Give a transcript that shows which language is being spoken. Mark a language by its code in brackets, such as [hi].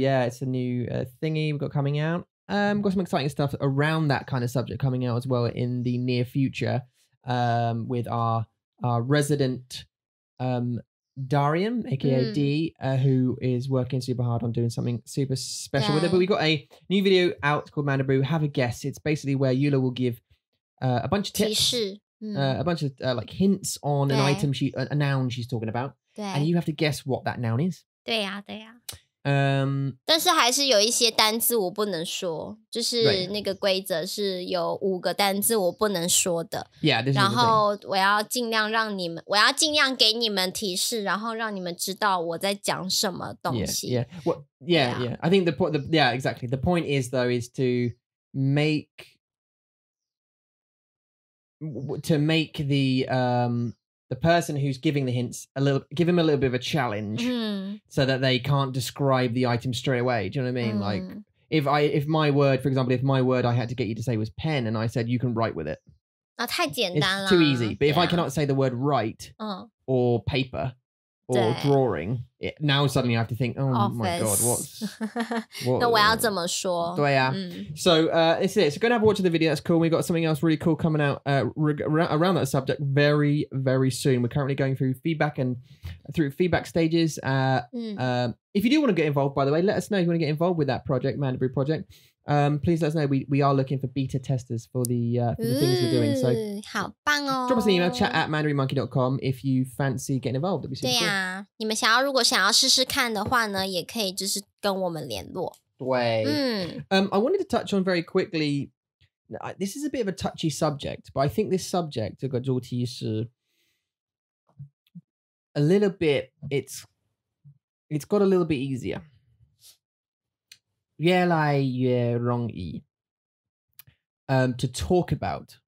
[en] yeah, it's a new thingy we've got coming out. Got some exciting stuff around that kind of subject coming out as well in the near future with our resident Darian, aka、mm. D, who is working super hard on doing something super special、 yeah. with it. But we got a new video out called Mandaboo. Have a guess. It's basically where Yula will give a bunch of tips,、 mm. A bunch of like hints on an item, a noun she's talking about. And you have to guess what that noun is. [zh] 对呀、啊、对呀、啊但是还是有一些单字我不能说就是那个规则是有五个单字我不能说的 [en] yeah, this [zh] 然后我要尽量让你们我要尽量给你们提示然后让你们知道我在讲什么东西 [en] I think the point is though is to make the person who's giving the hints give him a little bit of a challenge、 mm. so that they can't describe the item straight away. Do you know what I mean?、 Mm. Like if my word, for example, if my word I had to get you to say was pen and I said you can write with it. [zh] Oh, 太简单了 [en] It's too easy. But、 yeah. if I cannot say the word write、or paper or drawing, now suddenly I have to think, oh、 Office. My God, what's... [zh] what, 那我要怎么说对啊、mm. [en] So it's this. So go and have a watch of the video. That's cool. We've got something else really cool coming out around that subject very, very soon. We're currently going through feedback stages. If you do want to get involved, by the way, let us know if you want to get involved with that project, Mandaboo project. Please let us know. We are looking for beta testers for the things we're doing. So [zh] 好棒哦 [en] Drop us an email, chat@mandarinmonkey.com if you fancy getting involved. [zh] 对啊你们想要如果想要试试看的话呢也可以就是跟我们联络对、嗯 [en] I wanted to touch on very quickly this is a bit of a touchy subject but I think this subject [zh] 这个主题是 [en] a little bit it's got a little bit easier [zh] 越来越容易 [en] to talk about、